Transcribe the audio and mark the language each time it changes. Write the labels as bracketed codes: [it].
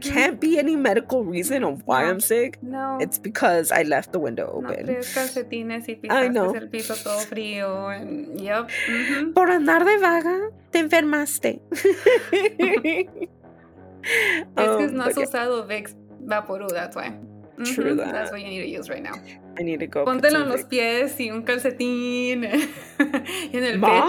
[en] can't be any medical reason of why I'm sick. No. It's because I left the window open. [es] No, tres calcetines y pisaste el piso todo frío. [en] Yep. [es] Mm-hmm. Por andar de vaga, te enfermaste. Es que no has usado Vicks Vaporub, [en] that's why. Mm-hmm. True that. That's what you need to use right now. I need to go. [es] Póntelo en los pies y un calcetín y en el Mom?